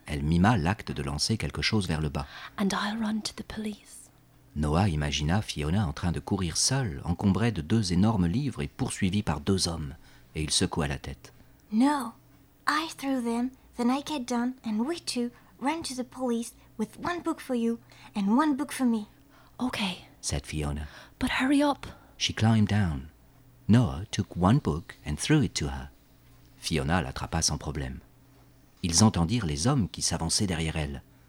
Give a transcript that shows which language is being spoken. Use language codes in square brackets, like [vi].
[fr] Elle mima l'acte de lancer quelque chose vers le bas. [en] And I'll run to the police. [fr] Noah imagina Fiona en train de courir seule, encombrée de deux énormes livres et poursuivie par deux hommes. Et il secoua la tête. [en] No, I threw them, then I get down, and we two run to the police with one book for you and one book for me. Okay, said Fiona. But hurry up. She climbed down. Noah took one book and threw it to her. [fr] Fiona l'attrapa sans problème. Ils entendirent les hommes qui s'avançaient derrière elle.